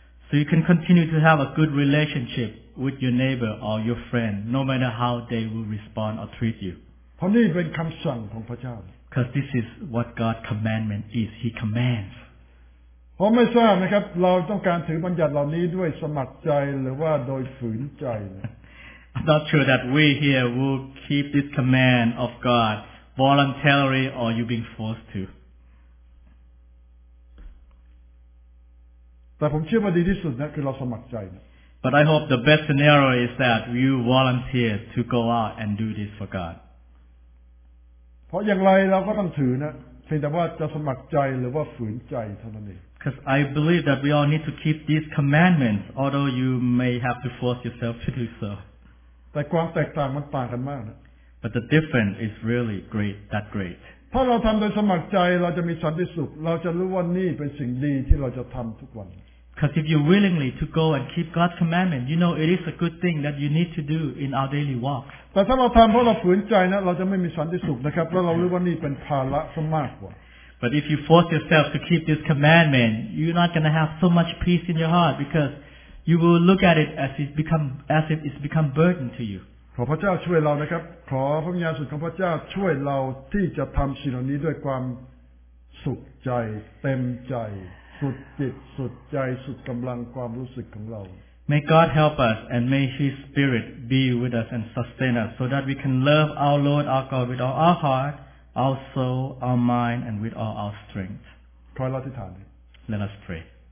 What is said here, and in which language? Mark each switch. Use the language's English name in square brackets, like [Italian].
[English] So you can continue to have a good relationshipwith your neighbor or your friend no matter how they will respond or treat you [Thai] เพราะนี่เป็นคำสั่งของพระเจ้า [English] because this is what God's commandment is he commands [Thai] ผมไม่ทราบนะครับเราต้องการถือบัญญัติเหล่านี้ด้วยสมัครใจหรือว่าโดยฝืนใจ [English] I'm not sure that we here will keep this command of God voluntarily or you being forced to. [Thai] แต่ผมเชื่อว่าดีที่สุดนะคือเราสมัครใจ [English] But I hope the best scenario is that you volunteer to go out and do this for God. [Thai] เพราะอย่างไรเราก็ต้องถือนะเพียงแต่ว่าจะสมัครใจหรือว่าฝืนใจเท่านั้นเอง [English] Because I believe that we all need to keep these commandments, although you may have to force yourself to do so. [Thai] แต่ความแตกต่างมันต่างกันมากนะ [English] But the difference is really great, that great. [Thai] ถ้าเราทำโดยสมัครใจเราจะมีสันติสุขเราจะรู้ว่านี่เป็นสิ่งดีที่เราจะทำทุกวัน [English] Because if you willingly to go and keep God's commandment, you know it is a good thing that you need to do in our daily walk. [Thai] แต่ถ้าเราทำเพราะเราฝืนใจนะเราจะไม่มีสันติสุขนะครับแล้วเรารู้ว่านี่เป็นภาระซะมากกว่า [English] But if you force yourself to keep this commandment, you're not going to have so much peace in your heart because you will look at it as if it's become burden to you. [Thai] ขอพระเจ้าช่วยเรานะครับขอพระวิญญาณสุดของพระเจ้าช่วยเราที่จะทำสิ่งเหล่านี้ด้วยความสุขใจเต็มใจสุดจิตสุดใจสุดกำลังความรู้สึกของเรา [English] May God help us and may His Spirit be with us and sustain us so that we can love our Lord our God with all our heart, our soul, our mind, and with all our strength. [Thai] ขอเราอธิษฐาน [English] Let us pray.